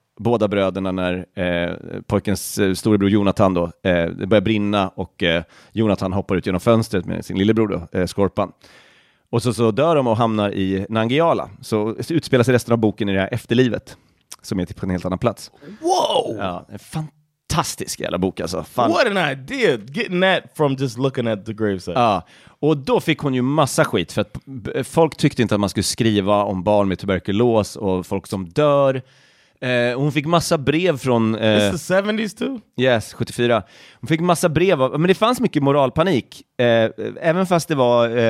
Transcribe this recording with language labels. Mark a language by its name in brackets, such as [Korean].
[Swedish] båda bröderna när pojkens storebror Jonathan då börjar brinna och Jonathan hoppar ut genom fönstret med sin lillebror då, Skorpan. Och så dör de och hamnar i Nangijala. Så utspelar sig resten av boken i det här efterlivet som är typ på en helt annan plats. [English] Wow! [Swedish] Ja, en fantastisk jävla bok alltså. [English] Fan. What an idea! Getting that from just looking at the gravesite. [Swedish] Ja, och då fick hon ju massa skit för att folk tyckte inte att man skulle skriva om barn med tuberkulos och folk som dör. Hon fick massa brev från... [English] It's the 70s too? [Swedish] Yes, 74. Hon fick massa brev. Men det fanns mycket moralpanik. Även fast det var...